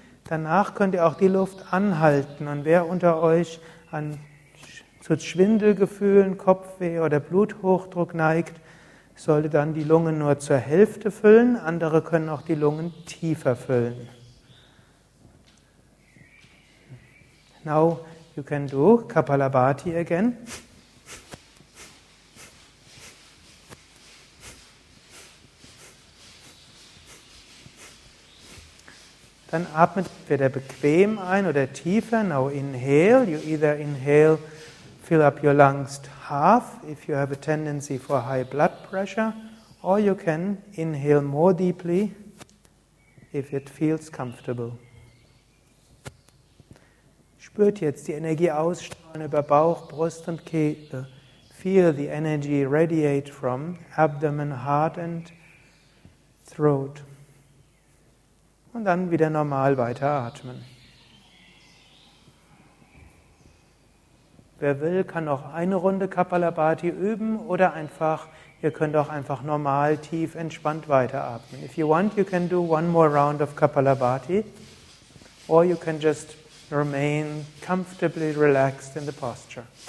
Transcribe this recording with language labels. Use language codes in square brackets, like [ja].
[de] Danach könnt ihr auch die Luft anhalten. Und wer unter euch zu Schwindelgefühlen, Kopfweh oder Bluthochdruck neigt, sollte dann die Lungen nur zur Hälfte füllen. Andere können auch die Lungen tiefer füllen. [en] Now You can do Kapalabhati again. [de] Dann atmet entweder bequem ein oder tiefer. [en] Now inhale. You either inhale, fill up your lungs half if you have a tendency for high blood pressure, or you can inhale more deeply if it feels comfortable. [de] Spürt jetzt die Energie ausstrahlen über Bauch, Brust und Kehle. [en] Feel the energy radiate from abdomen, heart and throat. [de] Und dann wieder normal weiter atmen. Wer will, kann noch eine Runde Kapalabhati üben oder einfach, ihr könnt auch einfach normal, tief, entspannt weiter atmen. [en] If you want, you can do one more round of Kapalabhati or you can just remain comfortably relaxed in the posture.